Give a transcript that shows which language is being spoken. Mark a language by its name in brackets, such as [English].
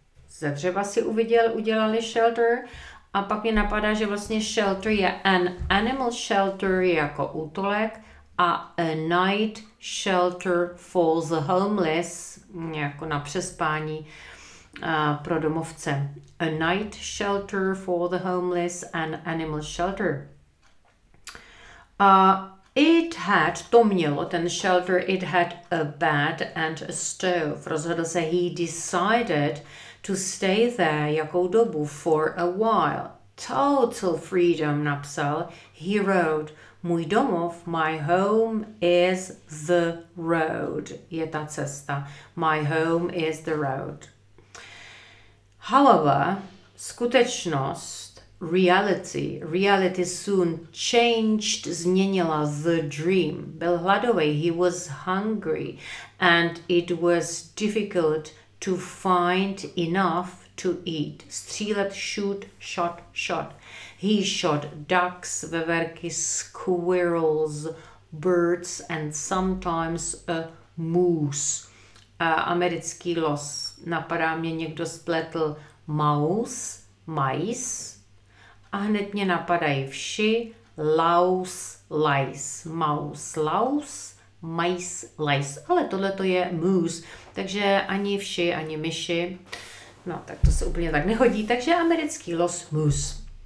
[Czech] Ze dřeva si udělali shelter. A pak mi napadá, že vlastně shelter je [English] an animal shelter [Czech] jako útulek a [English] a night shelter for the homeless, [Czech] jako na přespání. Pro domovce. [English] A night shelter for the homeless and animal shelter. It had, [Czech] to mělo, [English] ten shelter, it had a bed and a stove. [Czech] Rozhodl se, [English] he decided to stay there [Czech] jakou dobu, [English] for a while. Total freedom, [Czech] napsal. [English] He wrote, [Czech] můj domov, [English] my home is the road. [Czech] Je ta cesta. [English] My home is the road. However, [Czech] skutečnost, [English] reality soon changed, [Czech] změnila [English] the dream. [Czech] Byl hladový, [English] he was hungry, and it was difficult to find enough to eat. [Czech] Střílet, [English] shoot, shot. He shot ducks, [Czech] veverky, [English] squirrels, birds, and sometimes a moose. [Czech] Americký los, napadá mě, někdo spletl [English] mouse, mice, [Czech] a hned mě napadají vši, [English] louse, lice, mouse, louse, mice, lice, [Czech] ale tohle to je moose, takže ani vši, ani myši, no tak to se úplně tak nehodí, takže americký los, moose.